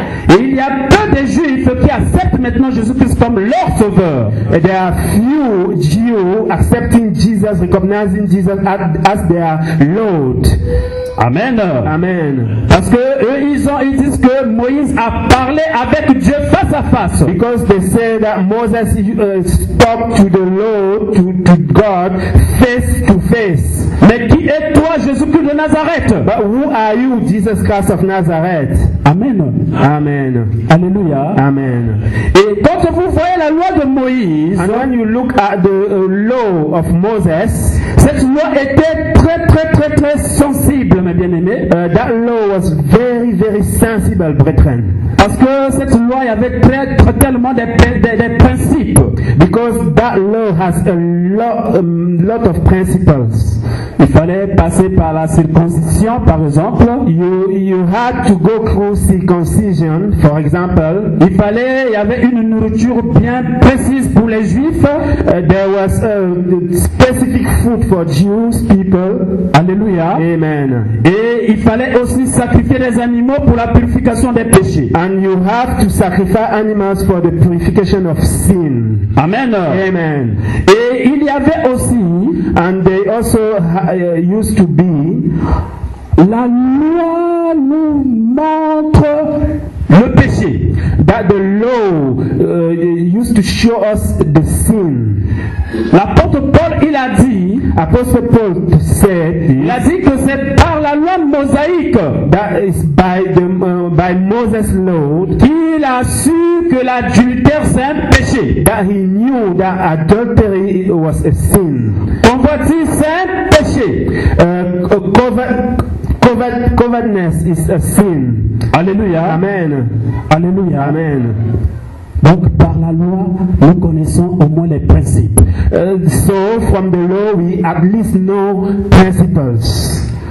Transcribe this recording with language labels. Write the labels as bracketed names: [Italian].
[French] Et il y a peu de Juifs qui acceptent maintenant Jésus-Christ comme leur sauveur. [English] And there are few Jews accepting Jesus, recognizing Jesus as their Lord. Amen. [French] Parce que eux, ils disent que Moïse a parlé avec Dieu face à face. [English] Because they say that Moses spoke to the Lord, to God, face to face. [French] Mais qui est toi, Jésus-Christ de Nazareth? [English] But who are you, Jesus Christ of Nazareth? [French] Amen. Alléluia. Amen. Et quand vous voyez la loi de Moïse, [English] and when you look at the law of Moses, [French] cette loi était très très très très sensible, mes bien-aimés. [English] That law was very very sensible, brethren. [French] Parce que cette loi avait tellement des principes. [English] Because that law has a lot of principles. [French] Il fallait passer par la circoncision, par exemple. [English] You had to go through circumcision, for example. [French] Il y avait une nourriture bien précise pour les Juifs. [English] There was a specific food for Jewish people. [French] Alléluia. Amen. Et il fallait aussi sacrifier des animaux pour la purification des péchés. [English] And you have to sacrifice animals for the purification of sin. Amen. Amen. [French] Et il y avait aussi, [English] and they also used to be, [French] la loi nous montre le péché. [English] That the law used to show us the sin. [French] L'apôtre Paul, il a dit, [English] Apostle Paul said, [French] il a dit que c'est par la loi mosaïque, [English] that is by Moses' law, [French] qu'il a su que l'adultère c'est un péché. [English] That he knew that adultery was a sin. [French] Convoitise c'est un péché. [English] Covetousness is a sin. [French] Alléluia. Amen. Alléluia. Amen. Donc par la loi nous connaissons au moins les principes. [English] So from the law we at least know principles.